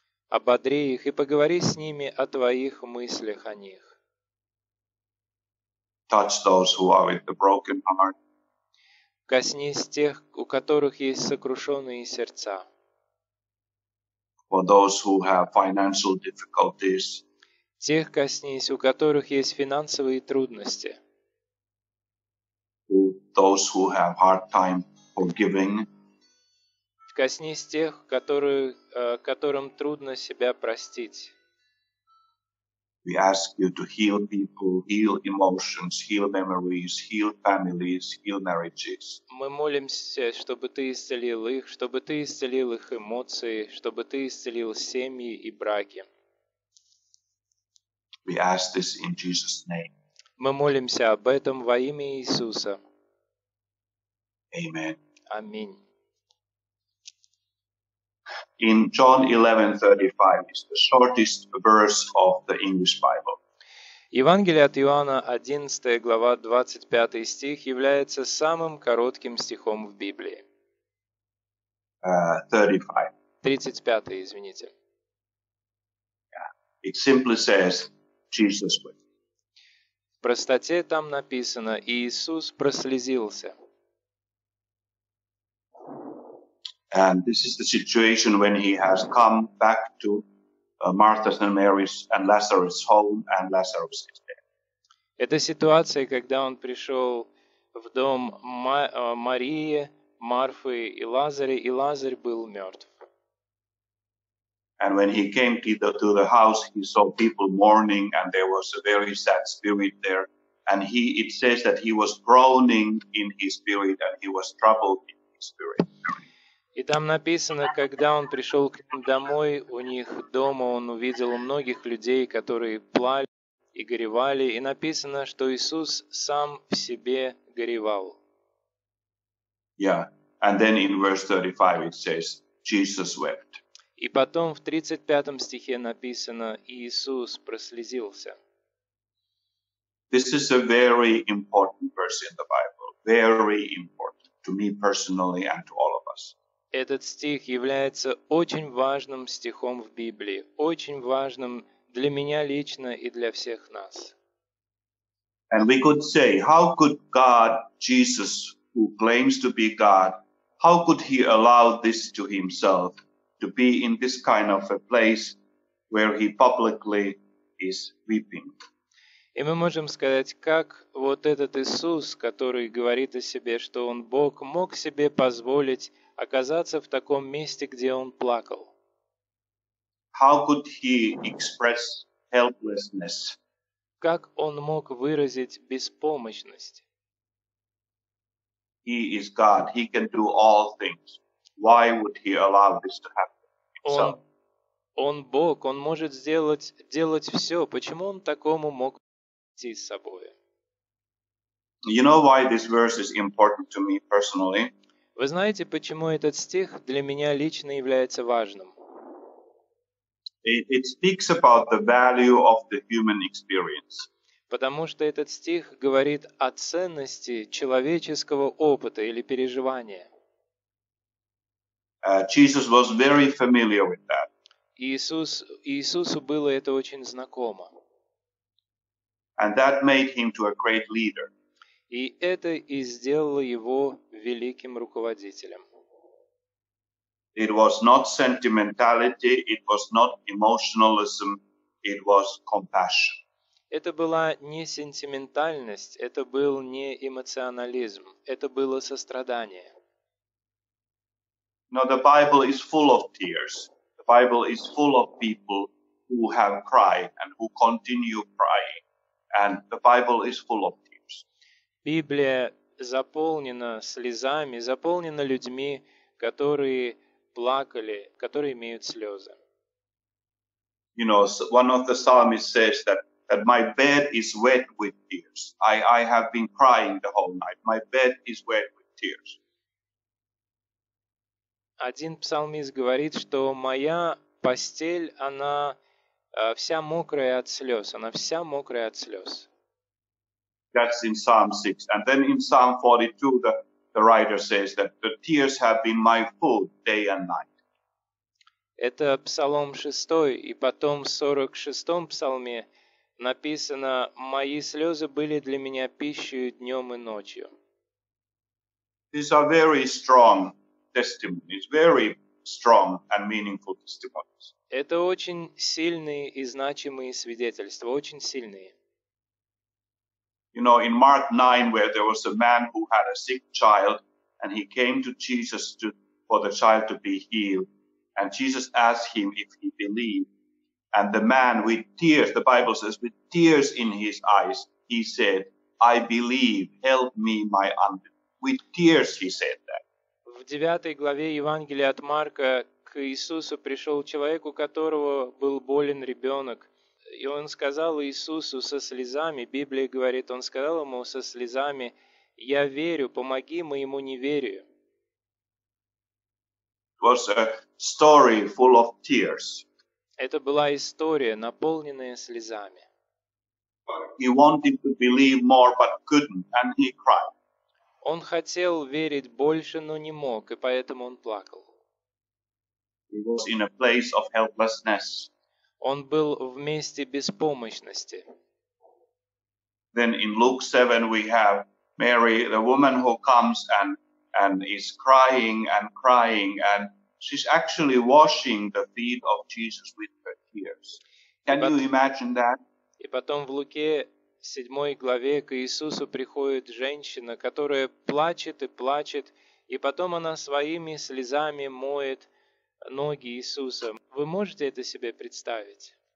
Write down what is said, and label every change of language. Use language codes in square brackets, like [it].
[ru] Ободри их и поговори с ними о твоих мыслях о них. [en] Touch those who are with the broken heart. [ru] Коснись тех, у которых есть сокрушенные сердца. [en] For those who have financial difficulties. [ru] Тех коснись, у которых есть финансовые трудности. [en] For those who have hard time forgiving. [ru] Коснись тех, которым трудно себя простить. [en] We ask you to heal people, heal emotions, heal memories, heal families, heal marriages. [ru] Мы молимся, чтобы ты исцелил их, чтобы ты исцелил их эмоции, чтобы ты исцелил семьи и браки. [en] We ask this in Jesus' name. [ru] Мы молимся об этом во имя Иисуса. [en] Amen. [ru] Аминь. [en] In John 11:35 is the shortest verse of the English Bible. [ru] Евангелие от Иоанна 11 глава 25 стих является самым коротким стихом в Библии. 35, извините. [en] Yeah. It simply says Jesus wept. [ru] В простоте там написано: Иисус прослезился. [en] And this is the situation when he has come back to Martha's and Mary's and Lazarus' home, and Lazarus is dead. [ru] Это ситуация, когда он пришел в дом Марии, Марфы и Лазаря, и Лазарь был мертв. [en] And when he came to the house, he saw people mourning, and there was a very sad spirit there. And it says that he was groaning in his spirit, and he was troubled in his spirit. [ru] И там написано, когда он пришел к ним домой, у них дома он увидел многих людей, которые плакали и горевали. И написано, что Иисус сам в себе горевал. [en] Yeah. And then in verse 35 it says, Jesus wept. [ru] И потом в 35 стихе написано, Иисус прослезился. [en] This is a very important verse in the Bible. Very important to me personally and to all of us. [ru] Этот стих является очень важным стихом в Библии, очень важным для меня лично и для всех нас. [en] And we could say, how could God, Jesus, who claims to be God, how could he allow this to himself, to be in this kind of a place where he publicly is weeping? [ru] И мы можем сказать, как вот этот Иисус, который говорит о себе, что он Бог, мог себе позволить оказаться в таком месте, где он плакал. [en] How could he express helplessness? [ru] Как он мог выразить беспомощность? [en] He is God. He can do all things. Why would he allow this to happen? [ru] Он Бог. Он может делать все. Почему он такому мог прийти с собой? [en] You know why this verse is important to me personally? [ru] Вы знаете, почему этот стих для меня лично является важным? [en] It speaks about the value of the human experience. [ru] Потому что этот стих говорит о ценности человеческого опыта или переживания. [en] Jesus was very familiar with that. [ru] Иисусу было это очень знакомо. [en] And that made him to a great leader. [ru] И это и сделало его великим руководителем. [en] It was not sentimentality, it was not emotionalism, it was compassion. [ru] Это была не сентиментальность, это был не эмоционализм, это было сострадание. [en] Now the Bible is full of tears. The Bible is full of people who have cried and who continue crying. And the Bible is full of tears. [ru] Библия заполнена слезами, заполнена людьми, которые плакали, которые имеют слезы. [en] You know, one of the psalmists says that my bed is wet with tears. I have been crying the whole night. My bed is wet with tears. [ru] Один псалмист говорит, что моя постель, она вся мокрая от слез. Она вся мокрая от слез. [en] That's in Psalm 6. And then in Psalm 42, the writer says that the tears have been my food day and night. [ru] Это Псалом 6. И потом в 46-м псалме написано, мои слезы были для меня пищей днем и ночью. [en] These are very strong testimonies, very strong and meaningful testimonies. [ru] Это очень сильные и значимые свидетельства, очень сильные. [en] You know, in Mark 9, where there was a man who had a sick child, and he came to Jesus for the child to be healed, and Jesus asked him if he believed. And the man with tears, the Bible says, with tears in his eyes, he said, I believe, help me my unbelief. With tears he said that. [ru] В 9 главе Евангелия от Марка к Иисусу пришел человек, у которого был болен ребенок. И он сказал Иисусу со слезами, Библия говорит, он сказал ему со слезами, я верю, помоги моему неверию. [en] It was a story full of tears. [ru] Это была история, наполненная слезами. [en] He wanted to believe more, but couldn't, and he cried. [ru] Он хотел верить больше, но не мог, и поэтому он плакал. [en] He was in a place of helplessness. [ru] Он был в месте беспомощности. [en] Then in Luke 7 we have Mary, the woman who comes and is crying and crying, and she's actually washing the feet of Jesus with her tears. You imagine that? [ru] И потом в Луке 7 главе к Иисусу приходит женщина, которая плачет и плачет, и потом она своими слезами моет ноги Иисуса. Вы можете это себе представить?